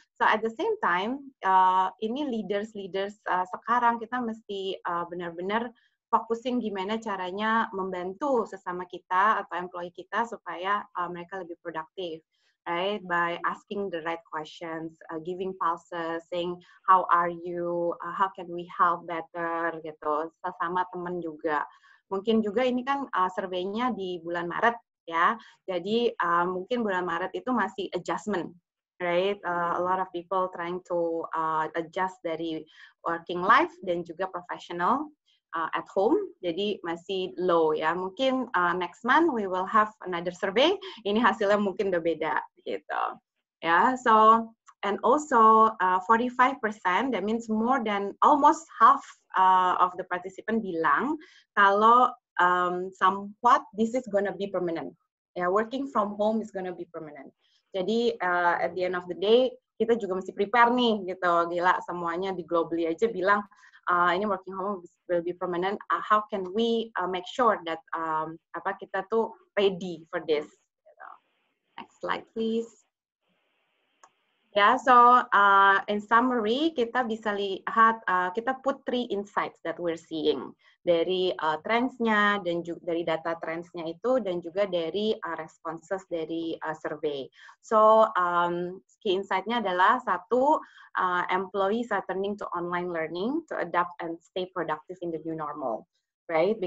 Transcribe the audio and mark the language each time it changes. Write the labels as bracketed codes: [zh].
[id] So at the same time, ini leaders-leaders sekarang kita mesti benar-benar fokusing gimana caranya membantu sesama kita atau employee kita supaya mereka lebih produktif. [en] Right, by asking the right questions, giving pulses, saying how are you, how can we help better, [id] gitu, sesama teman juga. Mungkin juga ini kan surveinya di bulan Maret, ya. Jadi mungkin bulan Maret itu masih adjustment, right? [en] A lot of people trying to adjust [id] dari [en] working life [id] dan juga [en] professional at home, [id] jadi masih [en] low ya. [id] Mungkin [en] next month we will have another survey. [id] Ini hasilnya mungkin udah beda gitu. [en] Ya, so and also 45%, that means more than almost half of the participant [id] bilang kalau [en] somewhat this is gonna be permanent. Ya, yeah, working from home is gonna be permanent. [id] Jadi [en] at the end of the day [id] kita juga mesti [en] prepare [id] nih gitu. Gila, semuanya di globally aja bilang ini [en] working home will be permanent. How can we make sure that [id] kita tuh [en] ready for this? Next slide, please. Yeah, so in summary, [id] kita bisa lihat kita [en] put three insights that we're seeing [id] dari trends-nya dan juga dari data trends-nya itu dan juga dari responses dari survey. [en] So key insight-nya [id] adalah satu, [en] employees are turning to online learning to adapt and stay productive in the new normal, right?